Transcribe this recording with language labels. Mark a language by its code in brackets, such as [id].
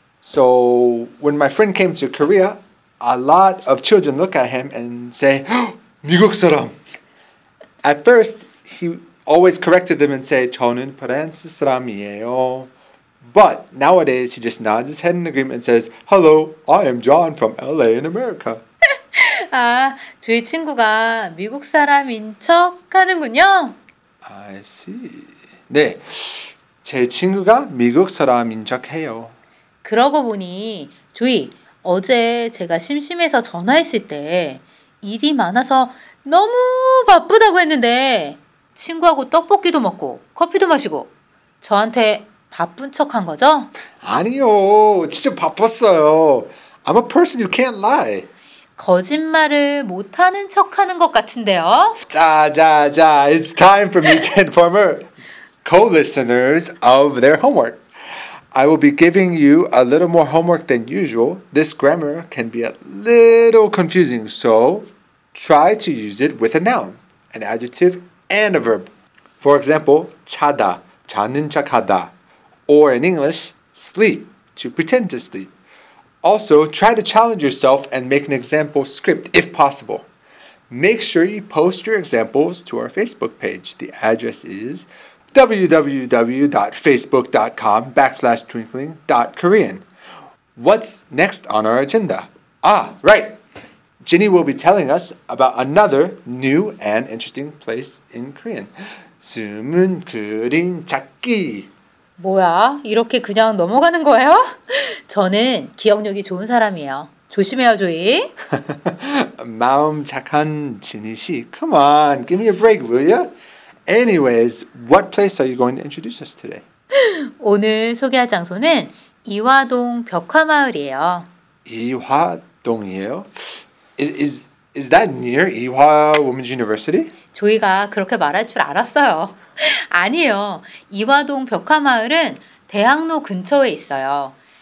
[en] So when my friend came to Korea, a lot of children look at him and say, [ko] 미국 사람. [en] At first, he always corrected them and said, [ko] 저는 프랑스 사람이에요. [en] But nowadays, he just nods his head in agreement and says, Hello, I am John from LA in America. [ko] 아, 저희 친구가 미국 사람인 척 하는군요. [en] I see. [ko] 네, 제 친구가 미국 사람인 척 해요. 그러고 보니, 조이, 어제 제가 심심해서 전화했을 때 일이 많아서 너무 바쁘다고 했는데 친구하고 떡볶이도 먹고 커피도 마시고 저한테 바쁜 척한 거죠? 아니요, 진짜 바빴어요. [en] I'm a person you can't lie. [ko] 거짓말을 못하는 척하는 것 같은데요? [en] 자, it's time for me to inform our co-listeners of their homework. I will be giving you a little more homework than usual. This grammar can be a little confusing, so try to use it with a noun, an adjective, and a verb. For example, [ko] 자다, 자는 척하다, [en] or in English, sleep, to pretend to sleep. Also, try to challenge yourself and make an example script if possible. Make sure you post your examples to our Facebook page. The address is www.facebook.com/twinkling.korean. What's next on our agenda? Ah, right. Ginny will be telling us about another new and interesting place in Korean. [ko] 숨은 그림 찾기. 뭐야? 이렇게 그냥 넘어가는 거예요? 저는 기억력이 좋은 사람이에요. 조심해요, 조이. 마음 착한 지니 씨. [en] Come on, give me a break, will ya? Anyways, what place are you going to introduce us today? [ko] 오늘 소개할 장소는 이화동 벽화마을이에요. 이화동이에요? [en] Is that near 이화 Women's University? [ko] 조이가 그렇게 말할 줄 알았어요. 아니에요. 이화동 벽화마을은 대학로 근처에 있어요.